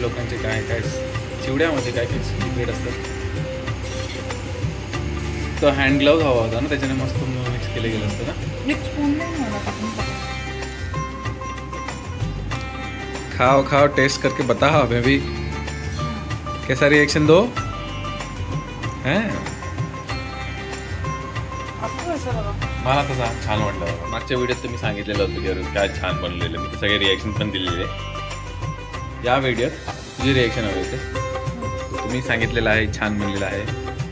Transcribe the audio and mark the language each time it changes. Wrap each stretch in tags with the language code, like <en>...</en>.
<mr>लोकांचे काय काय चिवड्यामध्ये काय काय सिक्रेट असतात. तो हँड ग्लोव्ह हवा होता ना त्याच्याने मस्त मिक्स केलं गेलं असतं ना.</mr> <hi>खाओ खाओ टेस्ट करके बताओ हमें भी कैसा रिएक्शन दो है।</hi> <mr>मला तसा छान वाटलं मागच्या व्हिडिओत तुम्ही सांगितलेलं होतं की अरुण काय छान बनलेलं मी सगळे रिएक्शन पण दिलेले या व्हिडिओत तुझे रिएक्शन हवे होते तुम्ही सांगितलेलं आहे छान बनलेलं आहे</mr>